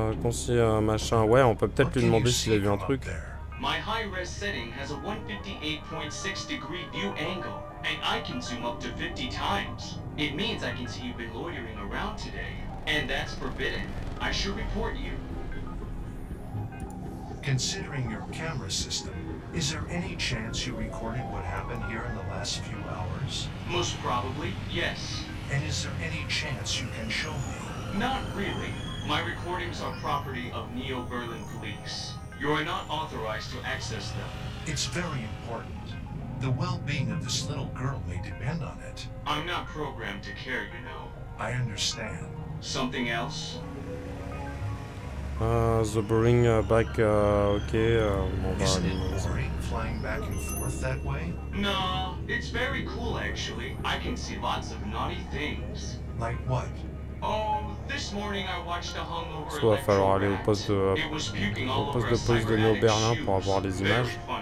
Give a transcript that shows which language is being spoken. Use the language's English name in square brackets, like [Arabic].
[French] Ouais, on peut peut-être lui demander s'il a vu un truc. [English] My high-res setting has a 158.6 degree view angle, and I can zoom up to 50 times. It means I can see you've been loitering around today, and that's forbidden. I should report you. Considering your camera system, is there any chance you recorded what happened here in the last few hours? Most probably, yes. And is there any chance you can show me? Not really. My recordings are property of Neo-Berlin police. You are not authorized to access them. It's very important. The well-being of this little girl may depend on it. I'm not programmed to care, you know. I understand. Something else? The boring back, okay, Isn't it boring flying back and forth that way? No, it's very cool actually. I can see lots of naughty things. Like what? Oh, this morning I watched a hungover electro rat. [French] Il va falloir aller au poste de police de Neo-Berlin pour avoir les images.